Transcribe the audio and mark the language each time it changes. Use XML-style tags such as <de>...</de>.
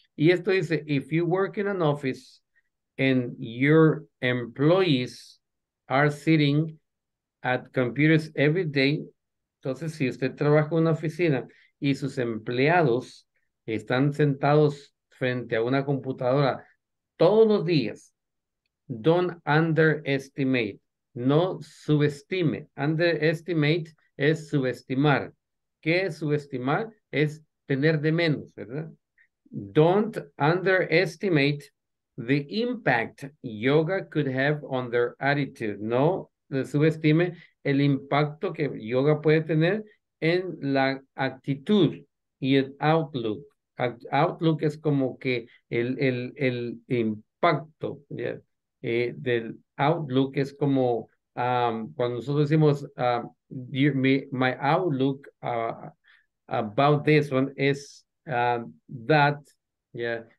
<es>Y esto dice,</es> <en>if you work in an office and your employees are sitting at computers every day,</en> <es>entonces si usted trabaja en una oficina y sus empleados están sentados frente a una computadora todos los días.</es> <en>Don't underestimate.</en> <es>No subestime. Underestimate es subestimar. ¿Qué es subestimar? Es tener de menos, ¿verdad?</es> <en>Don't underestimate the impact yoga could have on their attitude.</en> <es>No subestime el impacto que yoga puede tener en la actitud y el outlook. Outlook es como que el impacto, ¿ya? Del outlook es como cuando nosotros decimos</es> <en>my outlook about this one is that,</en> <es>¿ya?</es>